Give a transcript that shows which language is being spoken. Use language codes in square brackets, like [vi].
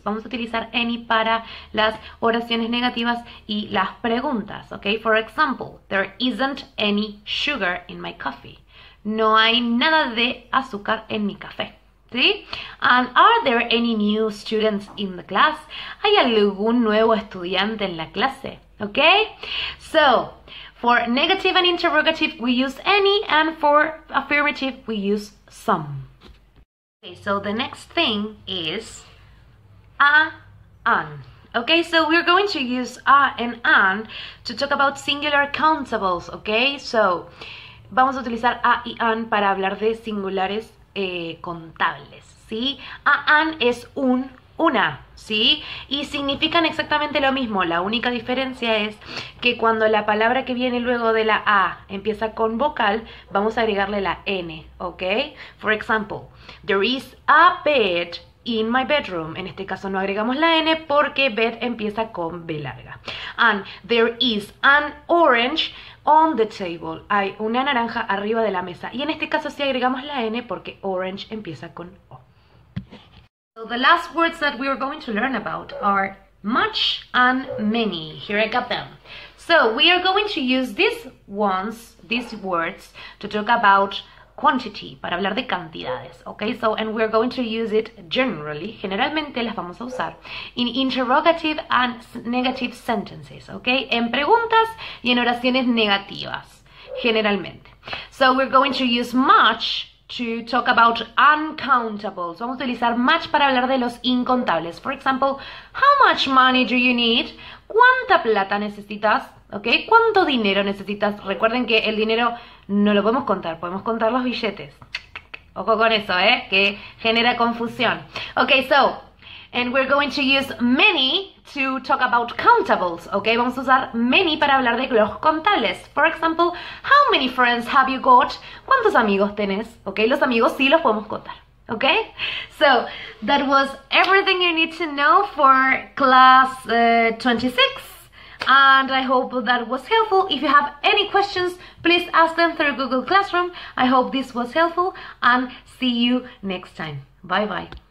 [es] Vamos a utilizar any para las oraciones negativas y las preguntas, ¿ok? [en] For example, there isn't any sugar in my coffee. [es] No hay nada de azúcar en mi café, ¿sí? [en] And are there any new students in the class? [es] ¿Hay algún nuevo estudiante en la clase? [en] ¿Ok? So, for negative and interrogative, we use any, and for affirmative, we use some. Okay, so the next thing is a, an. Okay, so we're going to use a and an to talk about singular countables, okay? [es] So, vamos a utilizar a y an para hablar de singulares contables, ¿sí? A, an es un, una, ¿sí? Y significan exactamente lo mismo. La única diferencia es que cuando la palabra que viene luego de la A empieza con vocal, vamos a agregarle la N, ¿ok? [en] For example, there is a bed in my bedroom. [es] En este caso no agregamos la N porque bed empieza con B larga. [en] And there is an orange on the table. [es] Hay una naranja arriba de la mesa. Y en este caso sí agregamos la N porque orange empieza con O. [en] So the last words that we are going to learn about are much and many. Here I got them. So we are going to use these words, to talk about quantity, [es] para hablar de cantidades, [en] okay? So, and we're going to use it generally, [es] generalmente las vamos a usar, [en] in interrogative and negative sentences, okay? [es] En preguntas y en oraciones negativas, generalmente. [en] So, we're going to use much to talk about uncountables. [es] Vamos a utilizar much para hablar de los incontables. [en] For example, how much money do you need? [es] ¿Cuánta plata necesitas? Okay, ¿cuánto dinero necesitas? Recuerden que el dinero no lo podemos contar, podemos contar los billetes. Ojo con eso, que genera confusión. [en] Okay, so, and we're going to use many to talk about countables, okay? [es] Vamos a usar many para hablar de los contables. [en] For example, how many friends have you got? [es] ¿Cuántos amigos tenés? [en] Okay, [es] los amigos sí los podemos contar. [en] Okay, so that was everything you need to know for class 26. And I hope that was helpful. If you have any questions, please ask them through Google Classroom. I hope this was helpful and see you next time. Bye bye.